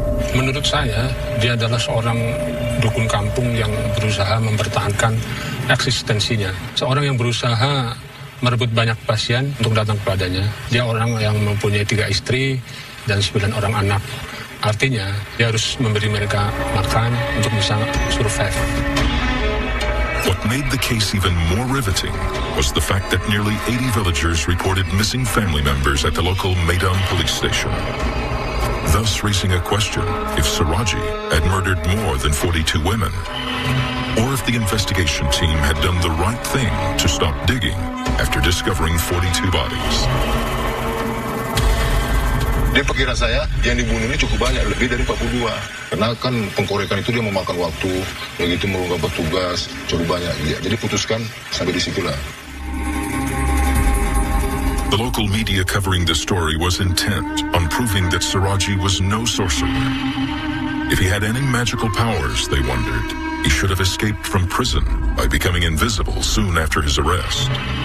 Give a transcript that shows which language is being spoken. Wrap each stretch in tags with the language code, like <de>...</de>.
<id>Menurut saya, dia adalah seorang dukun kampung yang berusaha mempertahankan eksistensinya. Seorang yang berusaha merebut banyak pasien untuk datang kepadanya. Dia orang yang mempunyai 3 istri dan 9 orang anak. Artinya, dia harus memberi mereka makan untuk bisa survive.</id> <en>What made the case even more riveting was the fact that nearly 80 villagers reported missing family members at the local Maidan police station. Thus raising a question if Suradji had murdered more than 42 women, or if the investigation team had done the right thing to stop digging after discovering 42 bodies.</en> <id>Dia perkiraan saya, yang dibunuh ini cukup banyak, lebih dari 42. Karena kan pengkorekan itu dia memakan waktu, begitu merunggah petugas, cukup banyak. Ya, jadi putuskan sampai di situlah.</id> <en>The local media covering the story was intent on proving that Suradji was no sorcerer. If he had any magical powers, they wondered, he should have escaped from prison by becoming invisible soon after his arrest.</en>